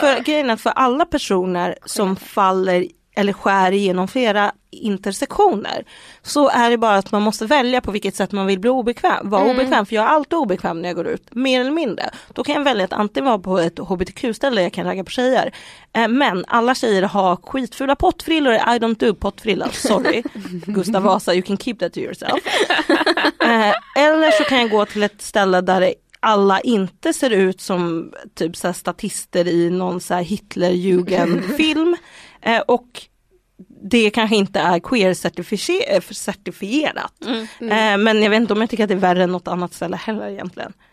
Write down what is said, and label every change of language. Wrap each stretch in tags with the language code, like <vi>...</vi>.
<sv>För grejen är, för alla personer som faller eller skär igenom flera intersektioner, så är det bara att man måste välja på vilket sätt man vill bli obekväm. Var obekväm, för jag är alltid obekväm när jag går ut, mer eller mindre. Då kan jag välja att antingen vara på ett hbtq-ställe, jag kan ragga på tjejer. Men alla tjejer har skitfula pottfrillor,</sv> <en>I don't do</en> <sv>pottfrillor,</sv> <en>sorry. Gustav Vasa, you can keep that to yourself.</en> <sv>Eller så kan jag gå till ett ställe där det alla inte ser ut som typ så här statister i någon så här Hitlerjugendfilm. Och det kanske inte är queer-certifierat. Men jag vet inte om jag tycker att det är värre än något annat ställe heller egentligen.</sv>